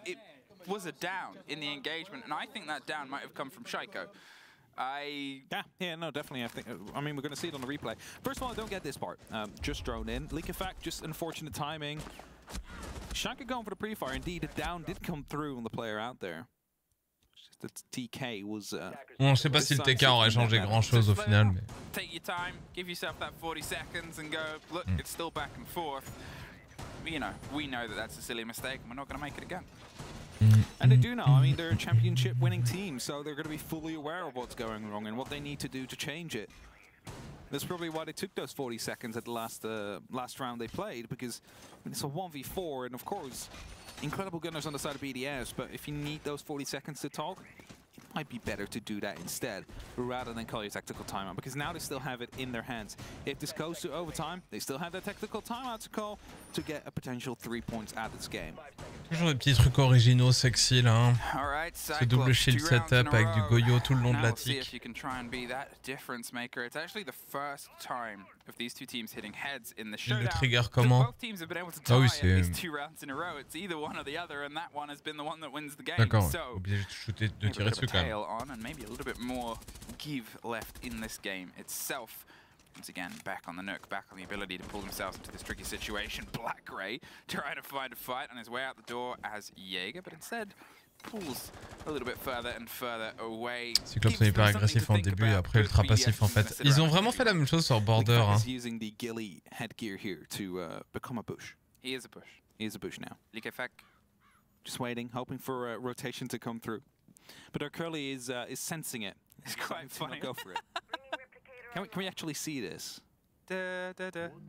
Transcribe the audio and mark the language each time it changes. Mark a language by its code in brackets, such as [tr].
[en] It was a down in the engagement, and I think that down might have come from Shaiko. I mean we're gonna see it on the replay. First of all, I don't get this part. Just drone in leak effect, just unfortunate timing. Shaiko going for the pre-fire. Indeed, a down did come through on the player out there. The TK was [fr] on sait pas si le TK aurait changé grand chose au final, mais [en] take your time, give yourself that 40 seconds and go look. It's still back and forth, you know. We know that that's a silly mistake and we're not going to make it again. And they do know. I mean, they're a championship winning team, so they're going to be fully aware of what's going wrong and what they need to do to change it. That's probably why they took those 40 seconds at the last round they played, because I mean, it's a 1v4 and of course incredible gunners on the side of BDS, but if you need those 40 seconds to talk, it might be better to do that instead rather than call your tactical timeout, because now they still have it in their hands. If this goes to overtime, they still have their tactical timeout to call to get a potential 3 points out of this game. [fr] Toujours des petits trucs originaux, sexy là. Hein. [en] Right, [fr] ce double shield setup avec du goyo tout le long de la tique. [en] See if you can try and be that difference maker. It's actually the first time of these two teams hitting heads in the showdown. [fr] Le trigger comment? [en] Both teams have been able to tie these two rounds in a row. It's either one or the other, and that one has been the one that wins the game. [fr] D'accord. [en] So [fr] obligé de shooter, de tirer dessus quand même. [en] On and maybe a little bit more give left in this game itself. Once again, back on the nook, back on the ability to pull themselves into this tricky situation. Black Ray trying to find a fight on his way out the door as Jaeger, but instead pulls a little bit further and further away. [fr] Cyclops est hyper agressif en début et après ultra passif en fait. Ils ont vraiment fait la même chose sur Border. [en] He's using the ghillie headgear here to become a bush. He is a bush. He is a bush now. Likafek. Just waiting, hoping for a rotation to come through. But our curly is sensing it. It's quite funny. Go for it. Can we actually see this? Da, da, da.